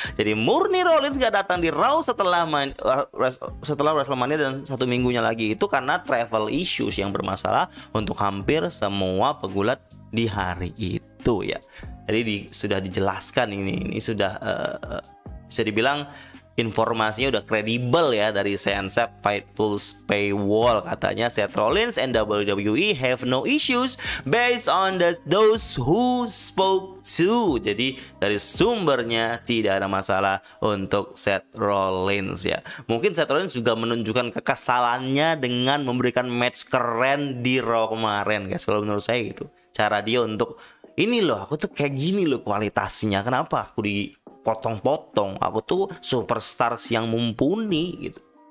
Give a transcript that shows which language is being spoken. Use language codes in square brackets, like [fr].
[id] Jadi murni Rollins gak datang di Raw setelah WrestleMania dan satu minggunya lagi itu karena travel issues yang bermasalah untuk hampir semua pegulat di hari itu ya. Jadi sudah dijelaskan ini sudah bisa dibilang informasinya udah kredibel ya dari Sensep Fightful's Paywall. Katanya [en] Seth Rollins and WWE have no issues based on those who spoke to. [id] Jadi dari sumbernya tidak ada masalah untuk Seth Rollins ya. Mungkin Seth Rollins juga menunjukkan kekesalannya dengan memberikan match keren di Raw kemarin guys. Kalau menurut saya itu cara dia untuk ini loh, aku tuh kayak gini loh kualitasnya, kenapa aku di potong-potong, aku tuh superstar yang mumpuni gitu.